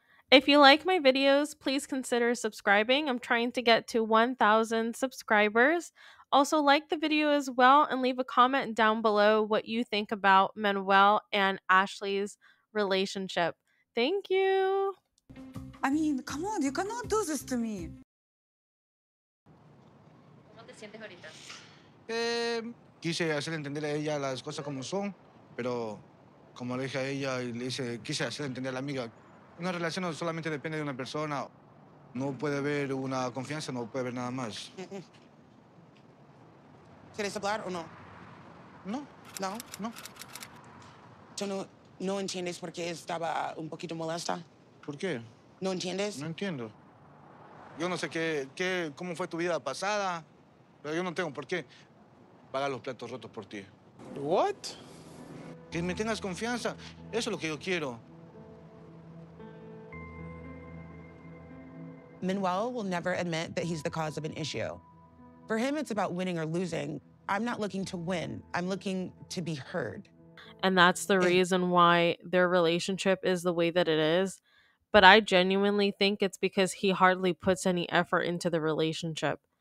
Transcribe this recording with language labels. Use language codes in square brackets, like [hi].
[en] If you like my videos, please consider subscribing. I'm trying to get to 1,000 subscribers. Also, like the video as well and leave a comment down below what you think about Manuel and Ashley's relationship. Thank you. I mean, come on, you cannot do this to me. [es] ¿Cómo te sientes ahorita? Quise hacer entender a ella las cosas como son. Pero como le dije a ella y le hice, quise hacer entender a la amiga, una relación no solamente depende de una persona. No puede haber una confianza, no puede haber nada más. ¿Quieres hablar o no? No. ¿No? No. ¿Tú no entiendes por qué estaba un poquito molesta? ¿Por qué? ¿No entiendes? No entiendo. Yo no sé cómo fue tu vida pasada, pero yo no tengo por qué pagar los platos rotos por ti. [en] What? [es] Que me tengas confianza, eso es lo que yo quiero. [en] Manuel will never admit that he's the cause of an issue. For him, it's about winning or losing. I'm not looking to win. I'm looking to be heard. And that's the reason why their relationship is the way that it is. But I genuinely think it's because he hardly puts any effort into the relationship.